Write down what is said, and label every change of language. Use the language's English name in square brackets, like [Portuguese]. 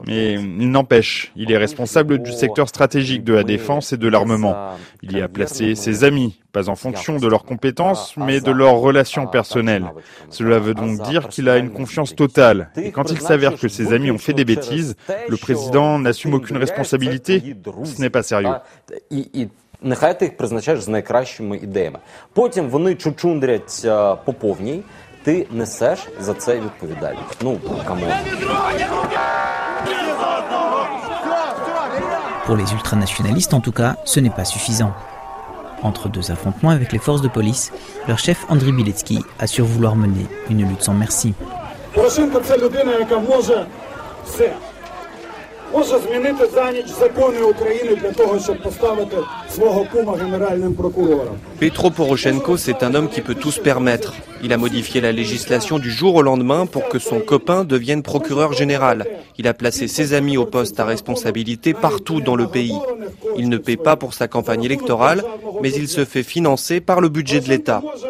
[French] Mais il n'empêche, il est responsable du secteur stratégique de la défense et de l'armement. Il y a placé ses amis, pas en fonction de leurs compétences, mais de leurs relations personnelles. Cela veut donc dire qu'il a une confiance totale. Et quand il s'avère que ses amis ont fait des bêtises, le président n'assume aucune responsabilité. Ce n'est pas sérieux. [Ukrainian] Нехай ти їх призначаєш з найкращими ідеями. Потім вони чучундрять по повній, ти несеш за це відповідальність. Ну, камон. [French] Pour les ultranationalistes en tout cas, ce n'est pas suffisant. Entre deux affrontements avec les forces de police, leur chef Andriy Biletsky assure vouloir mener une lutte sans merci. [Ukrainian] Порошенко це людина, яка може все. Може змінити за ніч закони України для того, щоб поставити свого кума генеральним прокурором. [French] Петро Порошенко, c'est un homme qui peut tout se permettre. Il a modifié la législation du jour au lendemain pour que son copain devienne procureur général. Il a placé ses amis au poste à responsabilité partout dans le pays. Il ne paie pas pour sa campagne électorale, mais il se fait financer par le budget de l'État.